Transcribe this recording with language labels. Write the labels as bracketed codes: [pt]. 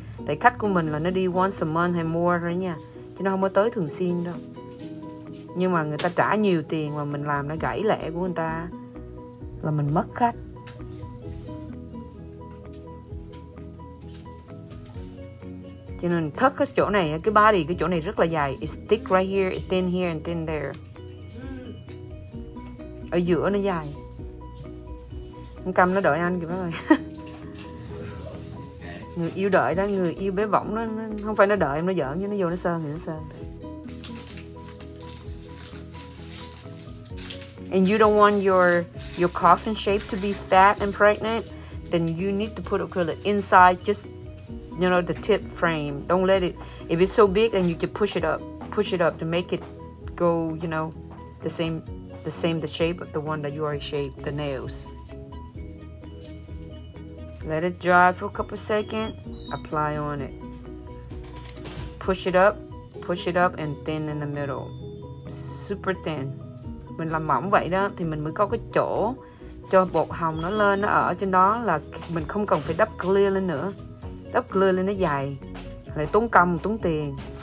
[vi] Tại khách của mình là nó đi [en] once a month [vi] hay more thôi nha, chứ nó không có tới thường xuyên đâu. Nhưng mà người ta trả nhiều tiền mà mình làm nó gãy lẻ của người ta là mình mất khách. Cho nên thất cái chỗ này, cái body cái chỗ này rất là dài. [en] It's thick right here, it's thin here and thin there. [vi] Ở giữa nó dài. Con cầm nó đợi anh kìa mấy người. Người yêu đợi đó, người yêu bé võng nó không phải nó đợi em, nó giỡn chứ nó vô nó sơn thì nó sơn. [en] And you don't want your coffin shape to be fat and pregnant, then you need to put acrylic inside, just, you know, the tip frame. Don't let it, if it's so big, then you can push it up to make it go, you know, the same the shape of the one that you already shaped, the nails. Let it dry for a couple seconds, apply on it. Push it up and thin in the middle. Super thin. [vi] Mình làm mỏng vậy đó thì mình mới có cái chỗ cho bột hồng nó lên, nó ở trên đó, là mình không cần phải đắp clear lên nữa. Đắp clear lên nó dày, lại tốn công, tốn tiền.